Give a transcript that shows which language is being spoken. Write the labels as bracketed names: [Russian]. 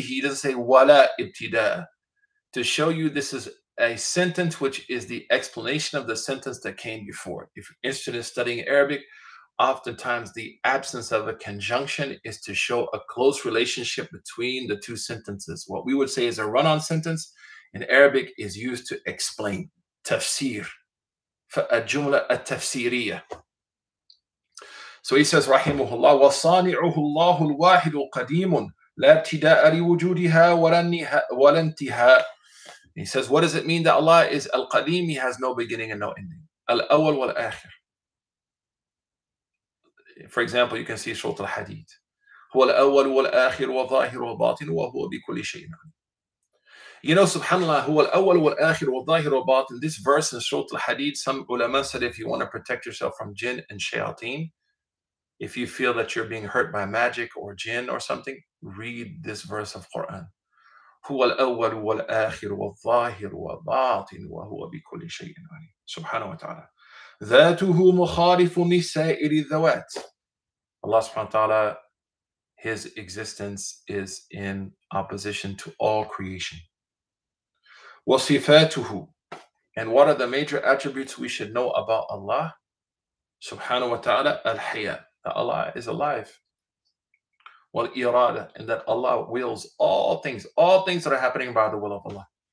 [English] He doesn't say wala ibtida'a. To show you this is a sentence which is the explanation of the sentence that came before. If you're interested in studying Arabic, oftentimes the absence of a conjunction is to show a close relationship between the two sentences. What we would say is a run-on sentence in Arabic is used to explain. [Arabic] Tafsir. فَأَجُمْلَ التَّفْسِيرِيَّةِ. [English] So he says, [Arabic] Rahimuhullah, وَصَانِعُهُ اللَّهُ الْوَاحِدُ قَدِيمٌ لَا ابْتِدَاءَ لِوُجُودِهَا وَلَا انْتِهَاءَ. [English] He says, what does it mean that Allah is al-qadim? He has no beginning and no ending. Al-awwal wal-akhir. For example, you can see Surah Al-Hadid. [Arabic] هو الأول والآخر وظاهر وباطن وهو بكل شيء. [English] You know, [Arabic] subhanAllah, هو الأول والآخر وظاهر وباطن. [English] This verse in Surah Al-Hadid, some ulama said, if you want to protect yourself from jinn and shayateen, if you feel that you're being hurt by magic or jinn or something, read this verse of Quran. [Arabic] هو الأول والآخر والظاهر وباطن وهو بكل شيء عليم سبحانه وتعالى ذاته مخالف لسائر الذوات. [English] Allah subhanahu wa ta'ala, his existence is in opposition to all creation. [Arabic] وصفاته. [English] And what are the major attributes we should know about Allah subhanahu wa ta'ala? [Arabic] الحياة, [English] that Allah is alive. [Arabic] وَالْإِرَادَةِ, [English] and that Allah wills all things that are happening by the will of Allah.